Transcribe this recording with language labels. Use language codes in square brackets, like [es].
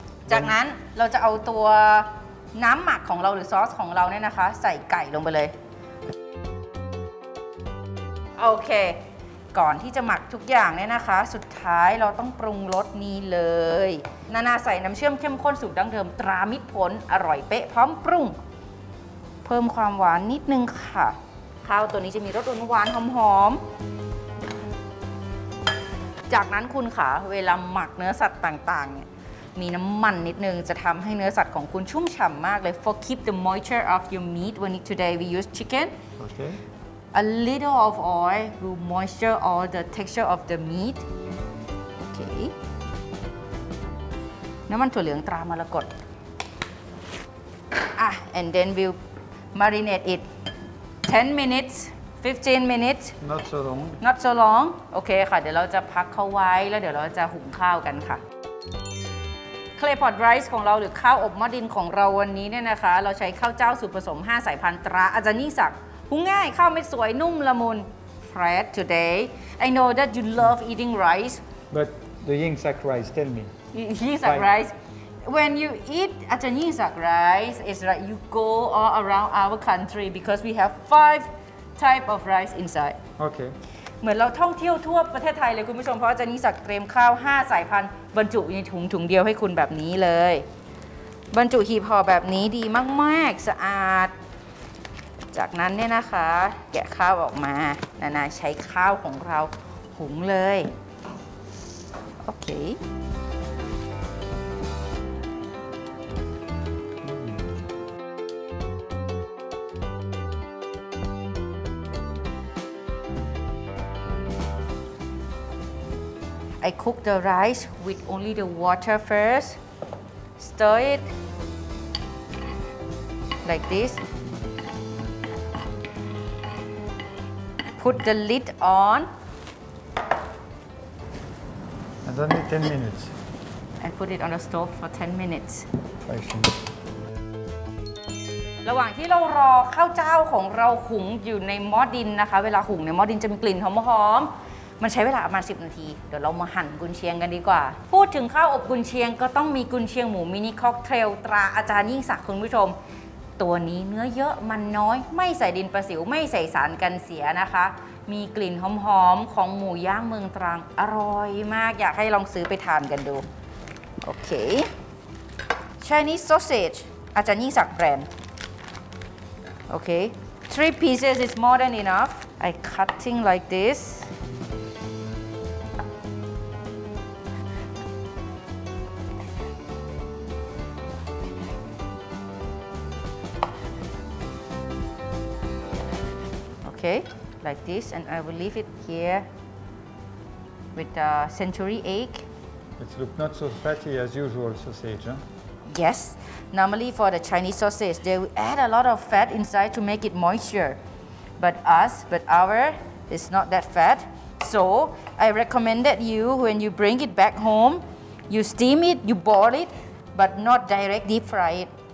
[th] จากนั้นเราจะเอาตัวน้ำหมักของเราหรือซอสของเราเนี่ยนะคะใส่ไก่ลงไปเลยโอเคก่อนที่จะหมักทุกอย่างเนี่ยนะคะสุดท้ายเราต้องปรุงรสนี้เลยนานาใส่น้ำเชื่อมเข้มข้นสูตรดั้งเดิมตรามิตรผลอร่อยเป๊ะพร้อมปรุงเพิ่มความหวานนิดนึงค่ะข้าวตัวนี้จะมีรสหวานหอม ๆจากนั้นคุณค่ะเวลาหมักเนื้อสัตว์ต่างๆเนี่ยมีน้ำมันนิดนึงจะทำให้เนื้อสัตว์ของคุณชุ่มฉ่ำมากเลย [en] for keep the moisture of your meat when today we use chicken okay A little of oil will moisture all the texture of the meat. Okay. [th] น้ำมันถั่วเหลืองตรามรกต [en] and then we'll marinate it 10 minutes, 15 minutes. Not so long. Not so long. [th] Okay ค่ะเดี๋ยวเราจะพักเขาไว้แล้วเดี๋ยวเราจะหุงข้าวกันค่ะ Clay pot rice ของเราหรือข้าวอบหม้อดินของเราวันนี้เนี่ยนะคะเราใช้ข้าวเจ้าสูตรผสม5สายพันธุ์ตราอาจารย์นิสักหุงง่ายข้าวไม่สวยนุ่มละมุน [en] Fred today I know that you love eating rice but the Yingsak rice tell me Yingsak rice when you eat Ajahn Yingsak rice it's like you go all around our country because we have 5 type of rice inside okay [th] เหมือนเราท่องเที่ยวทั่วประเทศไทยเลยคุณผู้ชมเพราะอาจารย์นิสักเตรียมข้าว5สายพันธุ์บรรจุในถุงเดียวให้คุณแบบนี้เลยบรรจุหีบห่อแบบนี้ดีมากๆสะอาด จากนั้นเนี่ยนะคะแกะข้าวออกมานานาใช้ข้าวของเราหุงเลย โอเค [en] I cook the rice with only the water first stir it like thisPut the lid on. And only 10 minutes. And put it on the stove for 10 minutes. Fashion. [th] ระหว่างที่เรารอข้าวเจ้าของเราหุงอยู่ในหม้อดินนะคะเวลาหุงในหม้อดินจะมีกลิ่นหอมๆมันใช้เวลาประมาณ10นาทีเดี๋ยวเรามาหั่นกุนเชียงกันดีกว่าพูดถึงข้าวอบกุนเชียงก็ต้องมีกุนเชียงหมูมินิค็อกเทลตราอาจารย์ยิ่งศักดิ์คุณผู้ชม ตัวนี้เนื้อเยอะมันน้อยไม่ใส่ดินประสิวไม่ใส่สารกันเสียนะคะมีกลิ่นหอมๆของหมูย่างเมืองตรังอร่อยมากอยากให้ลองซื้อไปทานกันดูโอเค [en] Chinese sausage อาจารย์ยิ่งศักดิ์ [th] แบรนด์โอเค [en] 3 pieces is more than enough I cutting like thisOkay, like this, and I will leave it here with the century egg. It looks not so fatty as usual sausage, huh? Yes, normally for the Chinese sausage, they will add a lot of fat inside to make it moisture. But our is not that fat. So I recommend that you, when you bring it back home, you steam it, you boil it, but not direct deep fry it.